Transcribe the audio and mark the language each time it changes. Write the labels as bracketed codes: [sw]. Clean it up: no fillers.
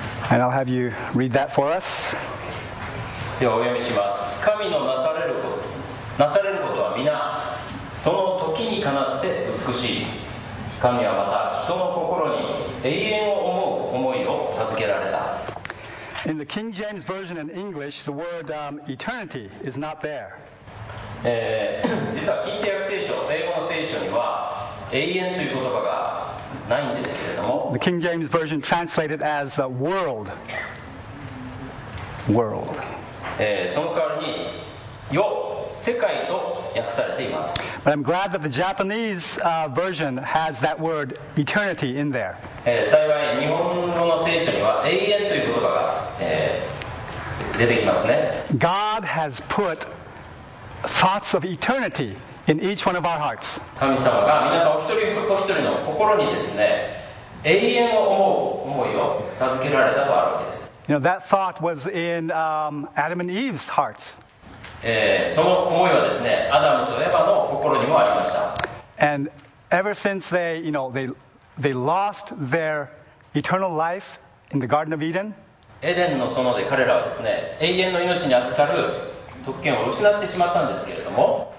[en] And I'll have you read that for us. [ja] ではお読みします。神のなされることは皆その時にかなって美しい。神はまた人の心に永遠を思う思いを授けられた。 [en] In the King James Version in English, the word eternity is not there. [ja] 実は近代聖書、英語の聖書には永遠という言葉がないんですけれども、 [en] The King James Version translated as world. World. [ja] その代わりに、よ、世界と訳されています。 [en] But I'm glad that the Japanese version has that word eternity in there. [ja] 幸い日本語の聖書には永遠という言葉が出てきますね。 [en] God has put thoughts of eternity in each one of our hearts. [ja] 神様が皆さんお一人の心にですね、永遠を思いを授けられたとあるわけです。 [en] You know, that thought was in Adam and Eve's hearts. [ja] その思いはですね、アダムとエヴァの心にもありました。 [en] And ever since they lost their eternal life in the Garden of Eden, [ja] エデンの園で彼らはですね、永遠の命に預かる特権を失ってしまったんですけれども、